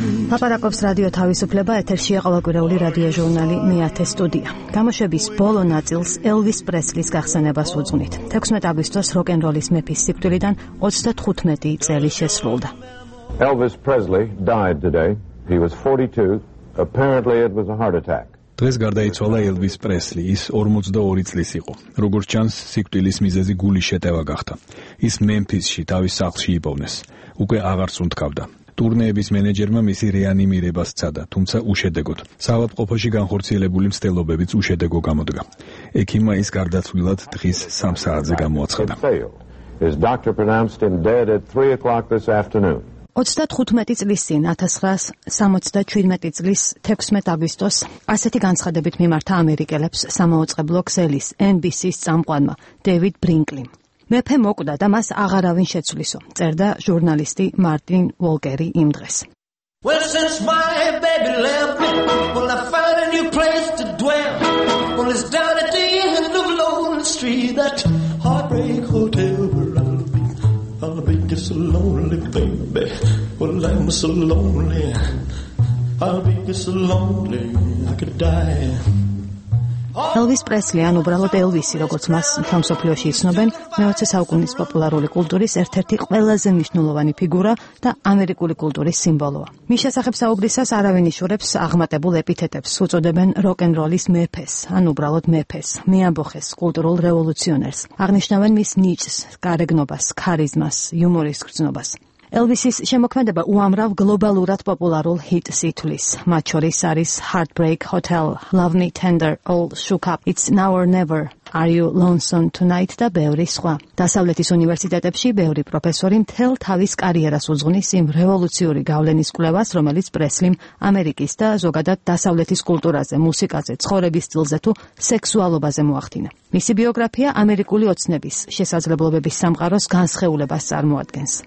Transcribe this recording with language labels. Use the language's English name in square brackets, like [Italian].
[Georgian] Паппараковс радио თავისუფლება ეთერში ყოველგვარეული რადიო ჟურნალი მეათე სტუდია. გამოშვების ბოლო ნაწილს ელვის პრესლის გახსენებას უძღვნით. 16 აგვისტოს როკენროლის მეფის სიკვდილიდან 35 წელი შესრულდა. [English] Elvis Presley died today. He was 42. Apparently it was a heart attack. [Georgian] დღეს გარდაიცვალა ელვის პრესლი, ის 42 წლის იყო. როგორც ჩანს, სიკვდილის მიზეზი გულის შეტევა გახდა. ის მემფისში თავის სახლში იპოვნეს. უკვე აღარ სუნთქავდა. ტურნეების მენეჯერმა მისი რეანიმირება სცადა, თუმცა უშედეგოდ. საავადმყოფოში განხორციელებული მცდელობებიც უშედეგო გამოდგა. ექიმმა ის გარდაცვლილად დღის 3 საათზე გამოაცხადა. [English] His doctor pronounced him dead at 3 o'clock this afternoon. [Georgian] 35 წლის წინ 1967 წლის 16 აგვისტოს ასეთი განცხადებით მიმართა ამერიკელებს სამაოცებლო ქსელის NBC-ს წამყვანმა დევიდ ბრინკლი. მეფე მოკვდა და მას აღარავინ შეცვლისო, წერდა ჟურნალისტი მარტინ ვოლკერი იმ დღეს. [English] Well, since my baby left me, well, I found a new place to dwell. Well, it's down at the end of Lonely Street, that heartbreak hotel where I'll be. I'll be just a lonely baby, well, I'm so lonely. I'll be just a lonely, I could die. [Georgian] Elvis Presley, ან უბრალოდ ელვისი, როგორც მას თავისუფლოში იცნობენ, მეოცე საუკუნის პოპულარული კულტურის ერთ-ერთი ყველაზე მნიშვნელოვანი ფიგურა და ამერიკული კულტურის სიმბოლოა. მის შესახებ საუბრისას არავინ იშურებს აღმატებულ ეპითეტებს, უწოდებენ როკენროლის მეფეს, ან უბრალოდ მეფეს, მეამბოხეს, კულტურულ რევოლუციონერს. აღნიშნავენ მის ნიჭს, გარეგნობას, ქარიზმას, იუმორის გრძნობას. Elvis-ის შემოქმედება უამრავ გლობალურად პოპულარულ ჰიტს ითვლის. მათ შორის არის Heartbreak Hotel, Love Me Tender, All Shook Up, It's Now or Never, Are You Lonesome Tonight და ბევრი სხვა. დასავლეთის უნივერსიტეტებში ბევრი პროფესორი მთელ თავის კარიერას უძღვნის იმ რევოლუციური გავლენის კვლევას, რომელიც პრესლიმ ამერიკის და ზოგადად დასავლეთის კულტურაზე, მუსიკაზე, ცხოვრების სტილზე თუ სექსუალობაზე მოახდინა. მისი ბიოგრაფია ამერიკული ოცნების, შესაძლებლობების სამყაროს განსხეულებას წარმოადგენს.